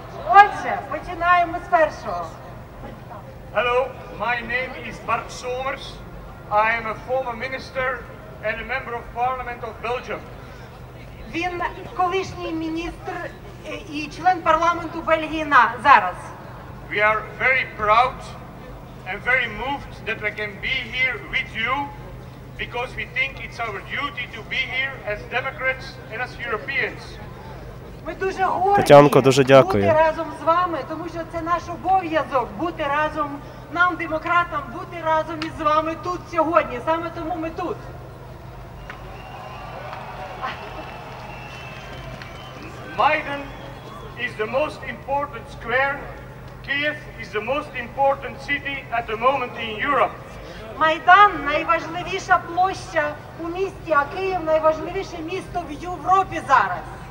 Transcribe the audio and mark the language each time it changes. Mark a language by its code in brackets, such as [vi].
[uk] Отже, починаємо з першого. [en] Hello, my name is Bart Somers. I am a former minister and a member of parliament of Belgium. [uk] Він колишній міністр і член парламенту Бельгії зараз. [en] We are very proud and very moved that we can be here with you because we think it's our duty to be here as Democrats and as Europeans. [uk] Ми дуже горді, Тетянко, дуже дякую. Бути разом з вами, тому що це наш обов'язок бути разом нам, демократам, бути разом із вами тут сьогодні. Саме тому ми тут. [en] Майдан is the most important square. Kyiv is the most important city at the moment in Europe. [uk] Майдан найважливіша площа у місті, а Київ найважливіше місто в Європі зараз.